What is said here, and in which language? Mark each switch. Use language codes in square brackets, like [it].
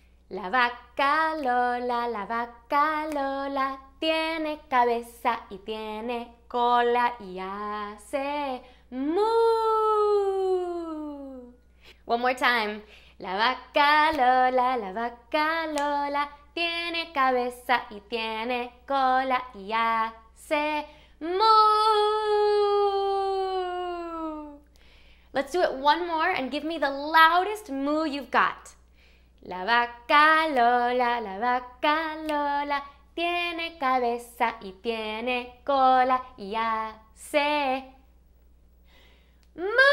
[es] La vaca Lola, la vaca Lola, tiene cabeza y tiene cola y hace moo. [en] One more time. [es] La vaca Lola, la vaca Lola, tiene cabeza y tiene cola y hace moo. [en] Let's do it one more and give me the loudest moo you've got. [es] La vaca Lola, la vaca Lola, tiene cabeza y tiene cola y hace moo.